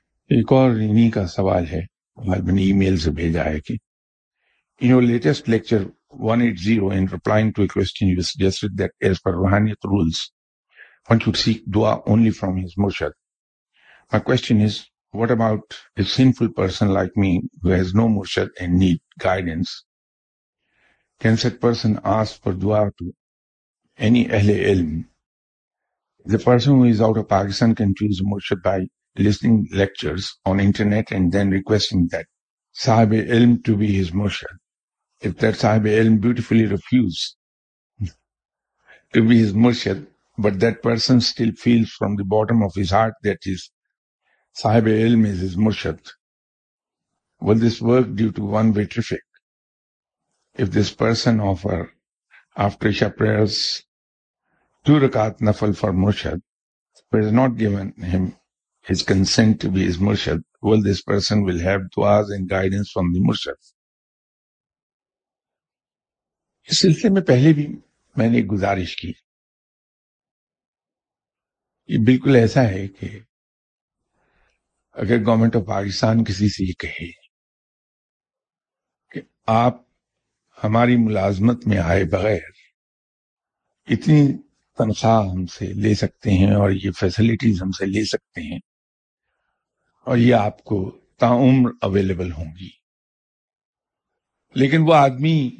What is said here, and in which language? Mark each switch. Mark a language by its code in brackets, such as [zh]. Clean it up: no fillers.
[hi] एक और इन्हीं का सवाल है, मैंने ईमेल से भेजा है कि [en] In your latest lecture 180 in replying to a question you suggested that as per रूहानियत rules one should seek दुआ only from his मुर्शिद। My question is what about a sinful person like me who has no मुर्शिद and need guidance, can such person ask for दुआ to any अहले इल्म? The person who is out of Pakistan can choose मुर्शिद by listening lectures on internet and then requesting that sahib-e-ilm to be his murshid. If that sahib-e-ilm beautifully refused to be his murshid, but that person still feels from the bottom of his heart that his sahib-e-ilm is his murshid, will this work due to one vitrific? If this person offer after Isha prayers 2 rakat nafal for murshid, but is not given him his consent to be his murshid, well, this person will have duas and guidance from the murshid. [hi] इस सिलसिले में पहले भी मैंने गुजारिश की, ये बिल्कुल ऐसा है कि अगर गवर्नमेंट ऑफ पाकिस्तान किसी से ये कहे कि आप हमारी मुलाजमत में आए बगैर इतनी तनख्वाह हमसे ले सकते हैं और ये फैसिलिटीज हमसे ले सकते हैं और ये आपको ताउम्र अवेलेबल होंगी, लेकिन वो आदमी